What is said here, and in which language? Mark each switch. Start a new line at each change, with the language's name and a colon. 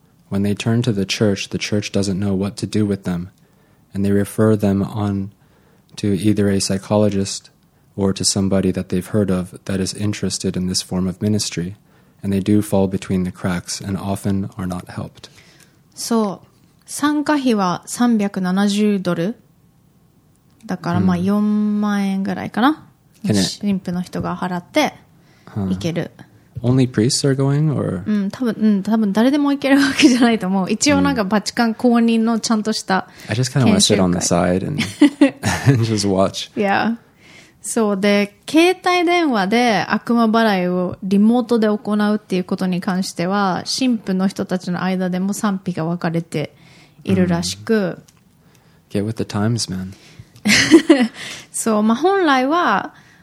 English: When they turn to the church doesn't know what to do with them, and they refer them on to either a psychologist or to somebody that they've heard of that is interested in this form of ministry, and they do fall between the cracks and often are not helped.
Japanese: So, 参加費は370ドル。だからまあ4万円ぐらいかな。神父の人が払って行ける。
English: Only priests are going, or? I just kind of want to sit on the side and, and just watch. Yeah.
Japanese: So, で携帯電話で悪魔払いをリモートで行うっていうことに関しては、神父の人たちの間でも賛否が分かれているらしく。
English: Get with the times, man.
Japanese: So, まあ本来は。